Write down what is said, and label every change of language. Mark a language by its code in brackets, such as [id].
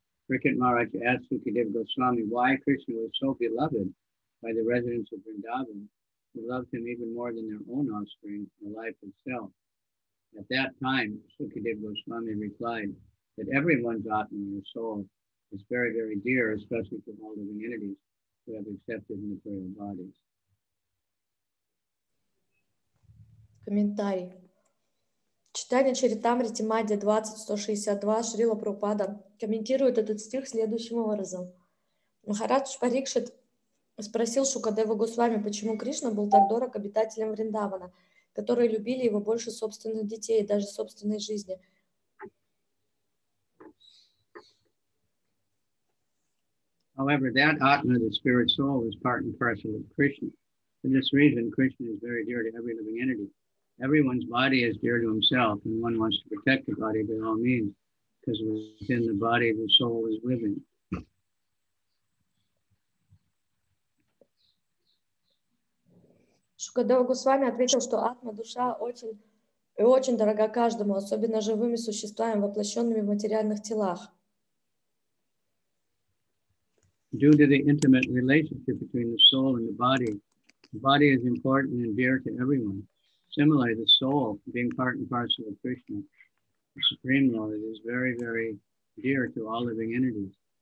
[en] Cricket Maharaj asked Sukadeva Goswami why Krishna was so beloved by the residents of Vrindavan, who loved him even more than their own offspring, the life itself. At that time, Sukadeva Goswami replied that everyone's atma or soul is very, very dear, especially to all living entities who have accepted material bodies. [ru] Комментарий. Читание Чаритамрити Мадья 20.162 Шрила Прабхупада комментирует этот стих следующим образом. Махарадж Парикшит спросил Шукадеву Госвами, почему Кришна был так дорог обитателям Вриндавана, которые любили его больше собственных детей и даже собственной жизни. [en] However, that Atma, the spirit soul, is part and parcel of Krishna. For this reason, Krishna is very dear to every living entity. Everyone's body is dear to himself, and one wants to protect the body by all means, because within the body the soul is living. [ru] Шукадева Госвами ответил, что атма, душа очень и очень дорога каждому, особенно живыми существами, воплощенными в материальных телах. [en] Due to the intimate relationship between the soul and the body is important and dear to everyone. Similarly, the soul, being part and parcel of Krishna, the Supreme Lord, is very, very dear to all living entities.